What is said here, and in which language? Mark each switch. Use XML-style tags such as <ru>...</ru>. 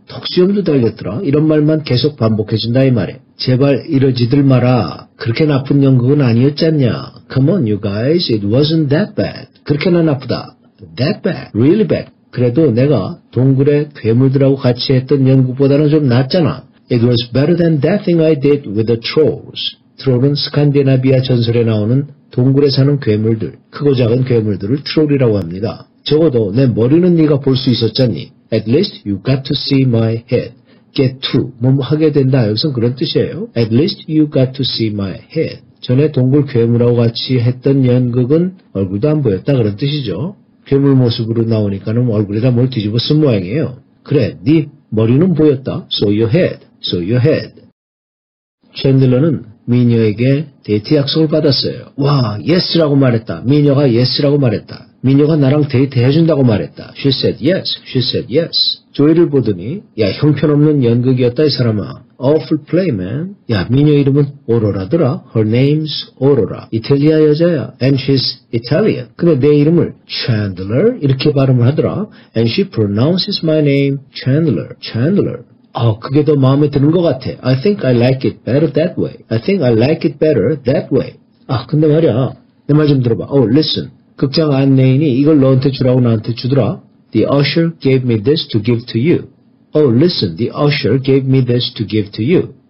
<ko>턱수염도 달렸더라. 이런 말만 계속 반복해준다 이 말에. 제발 이러지들 마라. 그렇게 나쁜 연극은 아니었잖냐.</ko> <en>Come on, you guys. It wasn't that bad.</en> <ko>그렇게나 나쁘다.</ko> <en>That bad. Really bad.</en> <ko>그래도 내가 동굴에 괴물들하고 같이 했던 연극보다는 좀 낫잖아.</ko> <en>It was better than that thing I did with the trolls.</en> <ko>트롤은 스칸디나비아 전설에 나오는 동굴에 사는 괴물들, 크고 작은 괴물들을 트롤이라고 합니다. 적어도 내 머리는 네가 볼 수 있었잖니.</ko> <en>At least you got to see my head. Get to,</en> <ko>뭐 하게 된다. 여기서 그런 뜻이에요.</ko> <en>At least you got to see my head.</en> <ko>전에 동굴 괴물하고 같이 했던 연극은 얼굴도 안 보였다. 그런 뜻이죠. 괴물 모습으로 나오니까는 얼굴에다 뭘 뒤집어 쓴 모양이에요. 그래, 네 머리는 보였다.</ko> <en>So your head. So your head.</en> <ko>챈들러는 미녀에게 데이트 약속을 받았어요. 와, 예스라고 말했다. 미녀가 예스라고 말했다. 미녀가 나랑 데이트 해준다고 말했다.</ko> <en>She said yes. She said yes.</en> <ko>조이를 보더니, 야, 형편없는 연극이었다, 이 사람아.</ko> <en>Awful play, man.</en> <ko>야, 미녀 이름은 오로라더라.</ko> <en>Her name's Aurora.</en> <ko>이탈리아 여자야.</ko> <en>And she's Italian.</en> <ko>근데 내 이름을 Chandler 이렇게 발음을 하더라.</ko> <en>And she pronounces my name Chandler. Chandler.</en> <ko>아, 그게 더 마음에 드는 것 같아.</ko> <en>I think I like it better that way. I think I like it better that way.</en> <ko>아, 근데 말이야. 내 말 좀 들어봐.</ko> <en>Oh, listen.</en> <ko>극장 안내인이 이걸 너한테 주라고 나한테 주더라.</ko> <en>The usher gave me this to give to you. Oh, listen. The usher gave me this to give to you.</en>